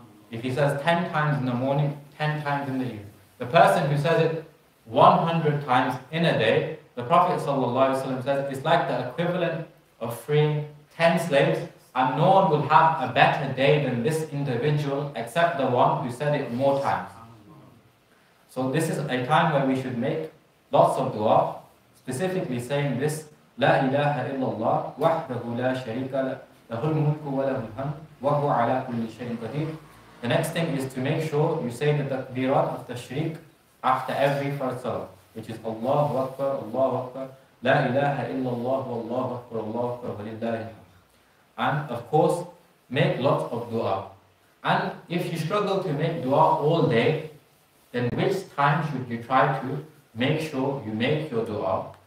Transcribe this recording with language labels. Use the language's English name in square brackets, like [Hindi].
[English] If he says 10 times in the morning, 10 times in the evening. The person who says it 100 times in a day, the Prophet ﷺ says it's like the equivalent of freeing 10 slaves, and no one will have a better day than this individual except the one who said it more times. So this is a time where we should make lots of dua, specifically saying this, [Arabic] لا إله إلا الله وحده لا شريك له الملك وله الحمد وهو على كل شيء قدير. [English] The next thing is to make sure you say the takbirat of tashriq after every fard salah, which is Allahu Akbar, Allahu Akbar, [Arabic] لا إله إلا الله والله أكبر الله أكبر ولله الحمد. [English] And of course, make lots of dua. And if you struggle to make dua all day, then which time should you try to make sure you make your dua?